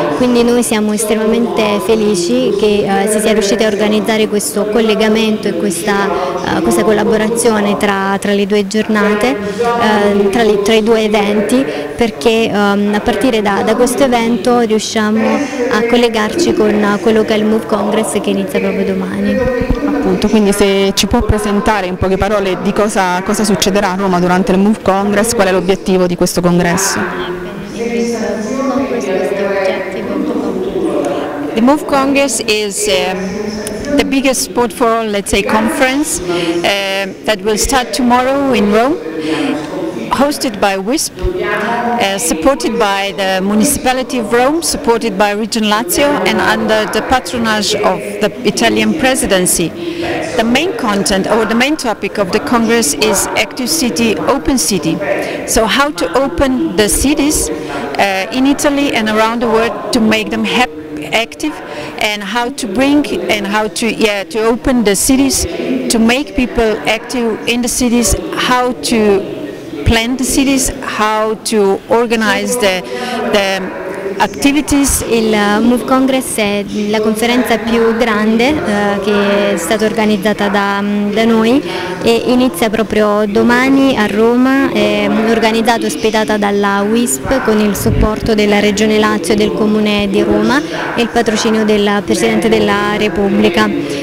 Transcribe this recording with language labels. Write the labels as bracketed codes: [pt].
[it] Quindi noi siamo estremamente felici che si sia riusciti a organizzare questo collegamento e questa collaborazione tra le 2 giornate, tra i 2 eventi, perché a partire da questo evento riusciamo a collegarci con quello che è il MOOC Congress che inizia proprio domani. Appunto, quindi se ci può presentare in poche parole di cosa succederà a Roma durante il MOOC Congress, qual è l'obiettivo di questo congresso? [en] The MOOC Congress is the biggest sport for all, let's say, conference that will start tomorrow in Rome, hosted by WISP, supported by the Municipality of Rome, supported by Region Lazio and under the patronage of the Italian Presidency. The main content or the main topic of the Congress is Active City, Open City. So how to open the cities in Italy and around the world to make them active, and how to bring and how to to open the cities, to make people active in the cities, how to plan the cities, how to organize the activities. [it] Il MOOC Congress è la conferenza più grande che è stata organizzata da noi e inizia proprio domani a Roma, è organizzata e ospitata dalla WISP con il supporto della Regione Lazio e del Comune di Roma e il patrocinio del Presidente della Repubblica.